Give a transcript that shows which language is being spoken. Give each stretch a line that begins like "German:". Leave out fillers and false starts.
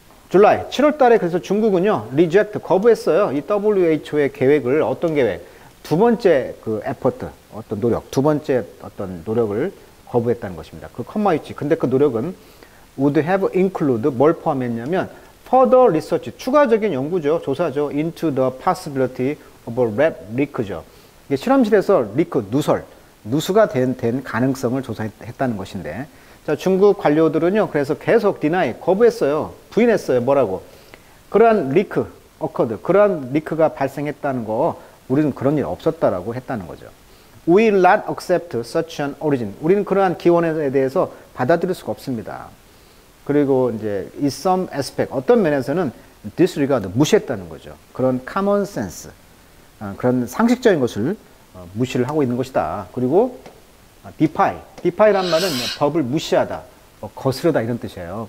Korean: July, 7월 달에 그래서 중국은요,
English: reject,
Korean: 거부했어요. 이 WHO의 계획을, 어떤 계획? 두 번째 그 effort, 어떤 노력, 두 번째 어떤 노력을 거부했다는 것입니다. 그 컴마 위치. 근데 그 노력은
English: would have include,
Korean: 뭘 포함했냐면,
English: further research,
Korean: 추가적인 연구죠. 조사죠.
English: into the possibility of a lab leak
Korean: 죠. 이게 실험실에서
English: leak,
Korean: 누설, 누수가 된 가능성을 조사했다는 것인데, 자, 중국 관료들은요, 그래서 계속 deny, 거부했어요. 부인했어요. 뭐라고? 그러한 리크, 어커드, 그러한 리크가 발생했다는 거, 우리는 그런 일 없었다라고 했다는 거죠.
English: We will not accept such an origin.
Korean: 우리는 그러한 기원에 대해서 받아들일 수가 없습니다. 그리고 이제,
English: in some aspect,
Korean: 어떤 면에서는 disregard, 무시했다는 거죠. 그런
English: common sense,
Korean: 그런 상식적인 것을 무시를 하고 있는 것이다. 그리고 defy란 말은 법을 무시하다, 거스르다 이런 뜻이에요.